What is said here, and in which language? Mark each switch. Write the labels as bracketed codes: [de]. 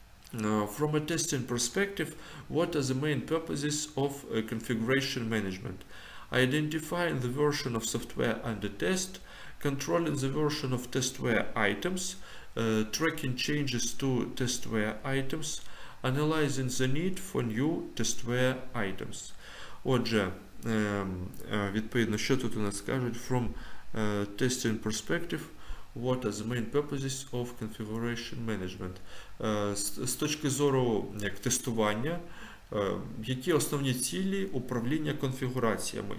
[en] From a testing perspective, what are the main purposes of configuration management? Identifying the version of software under test, controlling the version of testware items, tracking changes to testware items, analyzing the need for new testware items. [uk] Отже, відповідно, що тут у нас кажуть? [en] From testing perspective, what are the main purposes of configuration management? [uk] З точки зору як тестування, які основні цілі управління конфігураціями?